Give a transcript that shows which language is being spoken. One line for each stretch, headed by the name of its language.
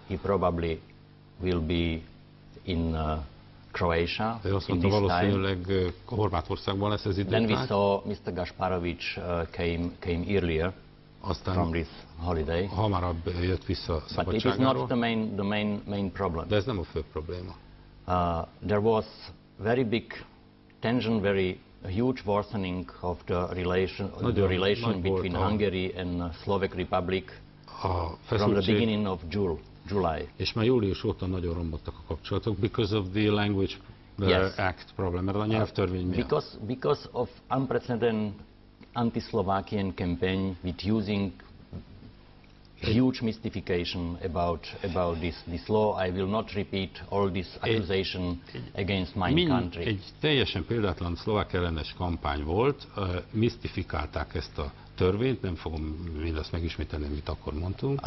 English: He probably will be in Croatia.
Hungarian: Ő azt mondta, valószínűleg Horvátországban lesz ez időtár.
English: Then we saw Mr. Gasparovic came earlier.
Hungarian: Aztán
English: from this holiday.
Hungarian: Hamarabb jött vissza szabadságáról.
English: But it is not the main problem.
Hungarian: De ez nem a fő probléma.
English: There was very big tension, very a huge worsening of the relation, between Hungary and Slovak Republic from the beginning of July.
Hungarian: És már július óta nagyon romboltak a kapcsolatok,
English: because of the language act problem,
Hungarian: mert a nyelvtörvény miatt.
English: Because of unprecedented anti-Slovakian campaign with using huge mystification about this law. I will not repeat all this accusation against my country.
Hungarian: Egy teljesen példátlan szlovák ellenes kampány volt, misztifikálták ezt a törvényt, nem fogom mindazt megismételni, amit akkor mondtunk.